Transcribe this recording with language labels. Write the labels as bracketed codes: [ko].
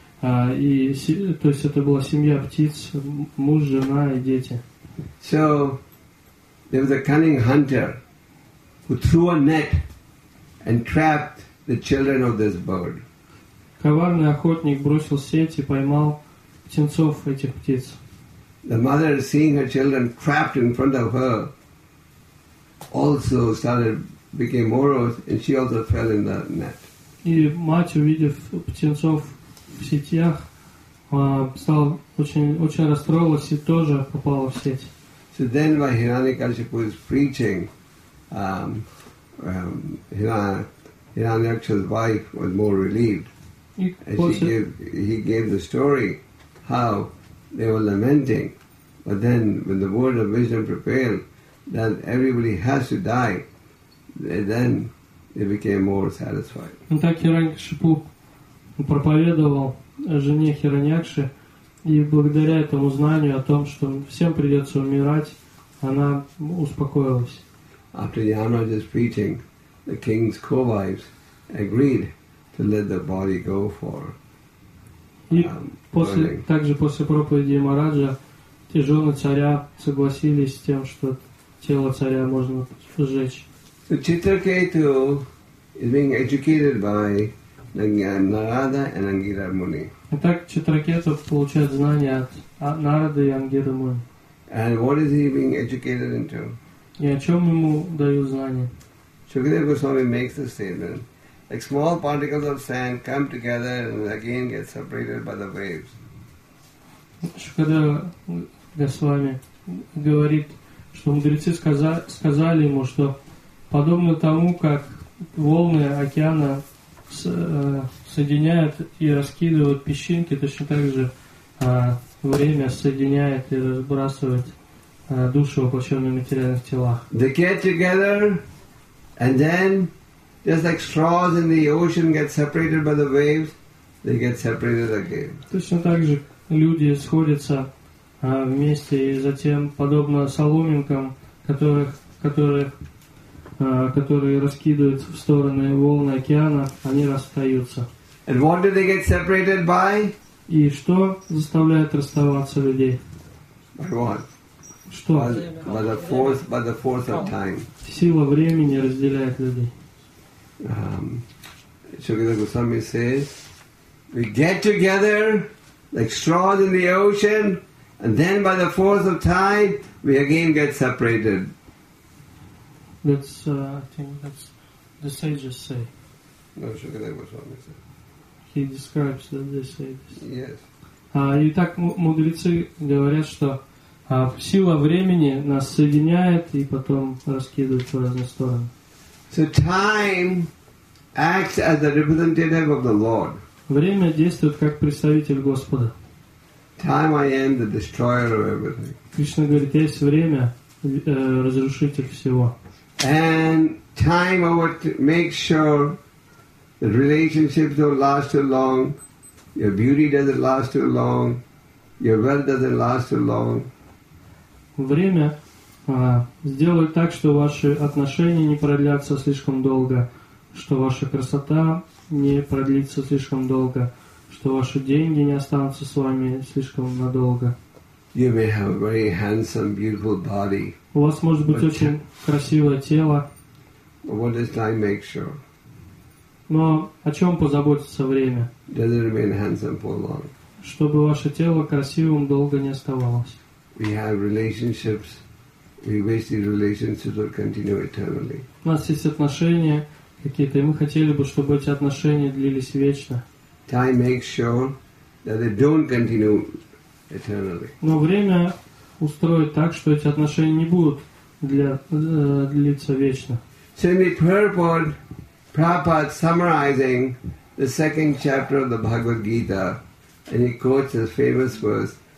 [ru] И то есть это была семья птиц, муж, жена и дети. [en] So there was a cunning hunter who threw a net and trapped the children of this bird. [ru] Коварный охотник бросил сеть и поймал птенцов этих птиц. [en] The mother, seeing her children trapped in front of her, also started became morose, and she also fell in the net. [ru] И мать, увидев птенцов в сетях, стал очень расстроилась и тоже попала в сеть. [en] So then, while Hiranyakashipu was preaching, Hiranyaksha's wife was more relieved, and he gave the story how they were lamenting. But then, when the word of wisdom prevailed that everybody has to die, then they became more satisfied. And [ru] так Хираньякшипу проповедовал жене Хираньякши, и благодаря этому знанию о том, что всем придется умирать, она успокоилась. [en] After Yamaraj's preaching, the king's co-wives agreed to let the body go for burning. [ru] Также после проповеди Ямараджа те жены царя согласились с тем, что тело царя можно сжечь. [en] Читракету is being educated by Нарада and Ангира Муни. [ru] Итак, Читракету получает знания от Нарады и Ангиры Муни. [en] And what is he being educated into? [ru] И о чем ему дают знания? [en] Шукадева Госвами makes the statement, like small particles of sand come together and again get separated by the waves. [ru] Шукадева Госвами говорит, что мудрецы сказали ему, что подобно тому, как волны океана соединяют и раскидывают песчинки, точно так же время соединяет и разбрасывает души, воплощенные в материальных телах. [en] They get together, and then, just like straws in the ocean get separated by the waves, they get separated again. [ru] Точно так же люди сходятся вместе, и затем подобно соломинкам, которые раскидываются в стороны волны океана, они расстаются. [en] And what do they get separated by? [ru] И что заставляет расставаться людей? [en] By what? [ru] Что? [en] By the force of time. Сила времени разделяет людей. Shukadeva Goswami says, we get together like straws in the ocean, and then by the force of time, we again get separated. That's, I think that's the sages say. No, Shukadeva Goswami says. He describes that they say this. Yes. [ru] И так мудрецы говорят, что сила времени нас соединяет и потом раскидывает в разные стороны. [en] So time acts as a representative of the Lord. [ru] Время действует как представитель Господа. [en] Time I am the destroyer of everything. [ru] Кришна говорит, есть время, разрушитель всего. [en] And time over to make sure that relationships don't last too long, your beauty doesn't last too long, your wealth doesn't last too long. [ru] Время сделает так, что ваши отношения не продлятся слишком долго, что ваша красота не продлится слишком долго, что ваши деньги не останутся с вами слишком надолго. [en] You may have a very handsome, beautiful body. [ru] У вас может быть очень красивое тело. [en] But what does time make sure? [ru] Но о чем позаботится время? [en] Does it remain handsome for long? [ru] Чтобы ваше тело красивым долго не оставалось. [en] We have relationships. We wish these relationships would continue eternally. [ru] У нас есть отношения какие-то, и мы хотели бы, чтобы эти отношения длились вечно. [en] Time makes sure that they don't continue eternally. [ru] Но время устроит так, что эти отношения не будут длиться вечно. [en] So in the purport, Prabhupada summarizing the second chapter of the Bhagavad Gita, and he quotes his famous verse.